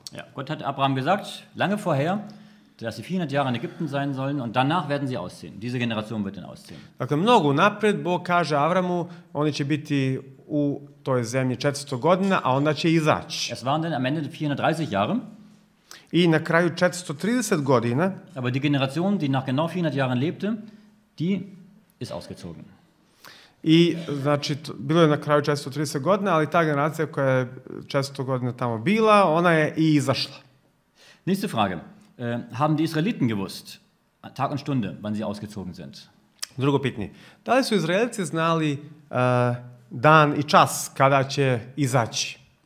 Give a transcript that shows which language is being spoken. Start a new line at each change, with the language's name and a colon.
German: Ja, Gott hat Abraham gesagt, lange vorher, dass sie 400 Jahre in Ägypten sein sollen und danach werden sie ausziehen. Diese Generation wird dann ausziehen.
Serbian: Dakle, mnogo napred, Bog kaže Avramu, oni će biti u toj zemlji 400 godina, a onda će izaći.
German: Es waren dann am Ende 430 Jahre.
Serbian: I na kraju 430 godina.
German: Aber die Generation, die nach genau 400 Jahren lebte, die ist ausgezogen.
Serbian: I znači bilo je na kraju 430 godina, ali ta generacija koja je 400 godina tamo bila, ona je i izašla.
German: Nächste Frage. Haben die Israeliten gewusst Tag und Stunde, wann sie ausgezogen sind?
Serbian: Drugo pitanje. Da li su Izraelci znali dan i čas kada će izaći?